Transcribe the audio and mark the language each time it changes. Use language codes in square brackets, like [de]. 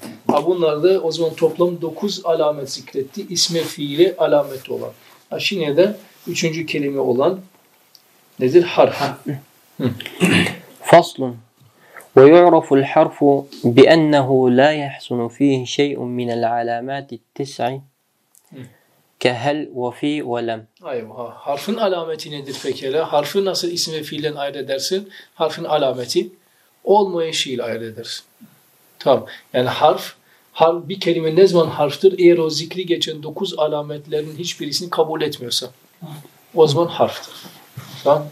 [tr] Ha bunlar da o zaman toplam dokuz alamet zikretti. İsme fiili alamet olan. Ha şimdi de üçüncü kelime olan nedir? Harf. [ar] Faslun. ويعرف الحرف بأنه لا يحسن فيه شيء من العلامات التسع كهل وفي ولم. أيوه. [tr] Harfin alameti nedir pekala? Harfi nasıl isim ve fiilden ayırt edersin? Harfin alameti olmayan şeyle ayırt edersin. Tamam. Yani harf bir kelime ne zaman harftır? Eğer o zikri geçen 9 alametlerin hiçbirisini kabul etmiyorsa o zaman harftır. Tamam.